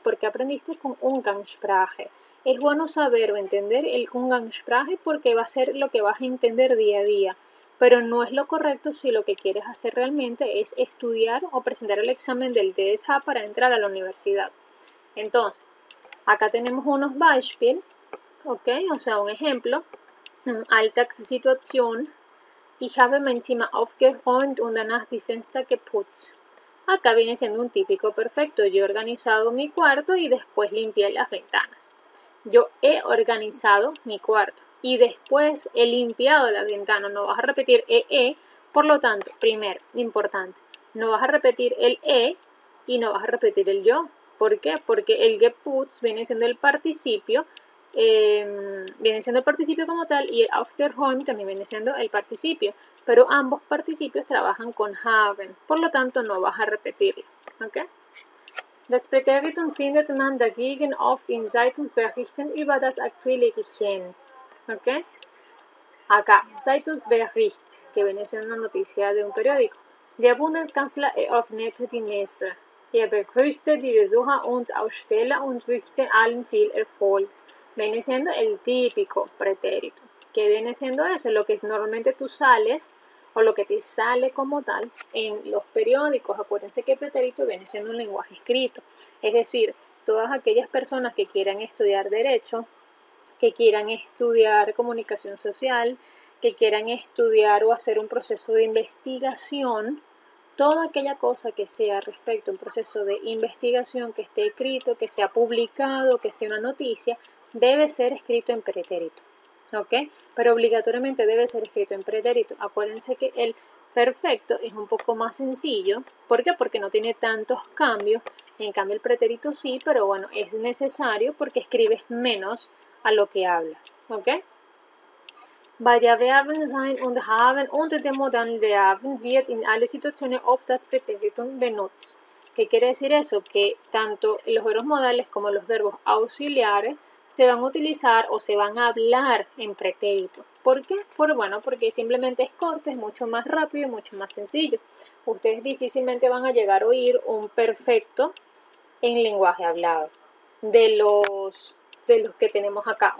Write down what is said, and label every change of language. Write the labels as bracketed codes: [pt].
[es] Porque aprendiste con Umgangssprache. Es bueno saber o entender el Umgangssprache porque va a ser lo que vas a entender día a día. Pero no es lo correcto si lo que quieres hacer realmente es estudiar o presentar el examen del DSA para entrar a la universidad. Entonces, acá tenemos unos Beispiel, ¿ok? O sea, un ejemplo. Alltagssituation. [de] Ich habe mein Zimmer aufgeräumt und danach die Fenster geputzt. [es] Acá viene siendo un típico perfecto. Yo he organizado mi cuarto y después limpié las ventanas. Yo he organizado mi cuarto. Y después he limpiado la ventana. No vas a repetir EE. Por lo tanto, primero, importante. No vas a repetir el E y no vas a repetir el yo. ¿Por qué? Porque el geputz viene siendo el participio. Viene siendo el participio como tal. Y el aufgeräumt también viene siendo el participio. Pero ambos participios trabajan con haben. Por lo tanto, no vas a repetirlo. ¿Ok? [de] Das Präteritum findet man dagegen oft in Zeitungsberichten über das aktuelle Geschehen. [es] ¿Ok? Acá, Zeitungsbericht, que viene siendo una noticia de un periódico. [de] Der Bundeskanzler eröffnete die Messe. Er begrüßte die Besucher und Aussteller und wünschte allen viel Erfolg. [es] Viene siendo el típico pretérito. ¿Qué viene siendo eso? Lo que normalmente tú sales o lo que te sale como tal en los periódicos. Acuérdense que pretérito viene siendo un lenguaje escrito. Es decir, todas aquellas personas que quieran estudiar derecho, que quieran estudiar comunicación social, que quieran estudiar o hacer un proceso de investigación, toda aquella cosa que sea respecto a un proceso de investigación, que esté escrito, que sea publicado, que sea una noticia, debe ser escrito en pretérito, ¿ok? Pero obligatoriamente debe ser escrito en pretérito. Acuérdense que el perfecto es un poco más sencillo. ¿Por qué? Porque no tiene tantos cambios. En cambio, el pretérito sí, pero bueno, es necesario porque escribes menos a lo que hablas, ¿ok? [de] Vaya Verben sein und haben unter dem modernen Verben wird in alle Situationen oft das Präteritum benutzt. [es] ¿Qué quiere decir eso? Que tanto los verbos modales como los verbos auxiliares se van a utilizar o se van a hablar en pretérito. ¿Por qué? Por, bueno, porque simplemente es corto, es mucho más rápido y mucho más sencillo. Ustedes difícilmente van a llegar a oír un perfecto en lenguaje hablado de los que tenemos acá.